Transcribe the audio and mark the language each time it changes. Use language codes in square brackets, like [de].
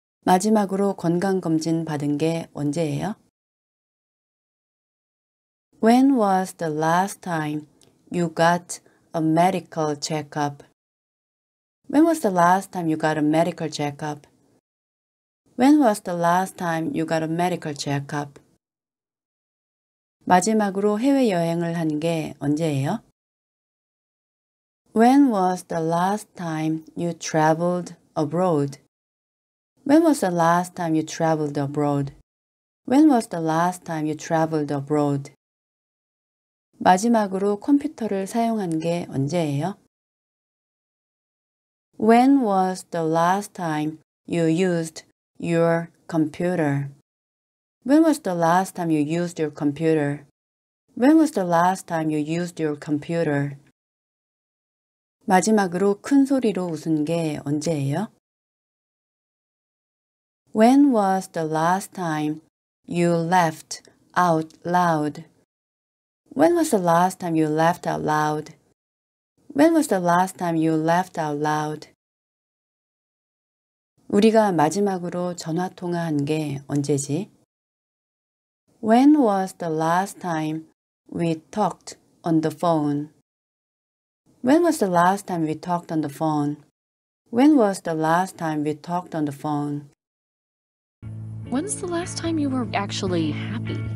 [ko] 마지막으로 건강검진 받은 게 언제예요? [en] When was the last time you got a medical checkup? When was the last time you got a medical checkup? When was the last time you got a medical checkup? [ko] 마지막으로 해외여행을 한 게 언제예요? [en] When was the last time you traveled abroad? When was the last time you traveled abroad? When was the last time you traveled abroad? [ko] 마지막으로 컴퓨터를 사용한 게 언제예요? [en] When was the last time you used your computer? When was the last time you used your computer? When was the last time you used your computer? [ko] 마지막으로 큰 소리로 웃은 게 언제예요? [en] When was the last time you laughed out loud? When was the last time you laughed out loud? When was the last time you laughed out loud? [ko] 우리가 마지막으로 전화 통화한 게 언제지? [en] When was the last time we talked on the phone? When was the last time we talked on the phone? When was the last time we talked on the phone? When's the last time you were actually happy?